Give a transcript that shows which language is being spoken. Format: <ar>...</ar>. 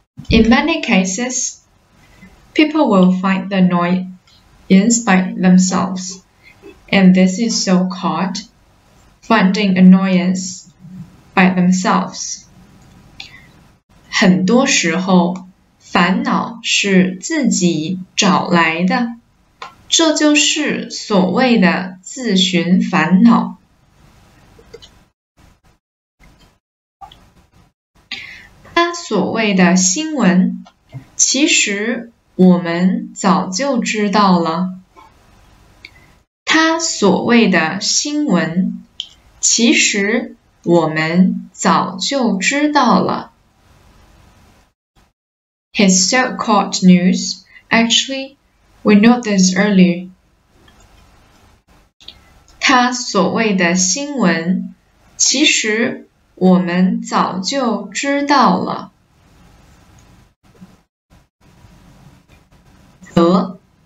<en>In many cases, people will find the annoyance by themselves, and this is so called finding annoyance by themselves.</en> <zh>很多时候烦恼是自己找来的，这就是所谓的自寻烦恼。他所谓的新闻，其实我们早就知道了。他所谓的新闻，其实我们早就知道了。</zh> <en>His so-called news, actually, we know this earlier.</en> <zh>他所谓的新闻，其实我们早就知道了。则，</zh>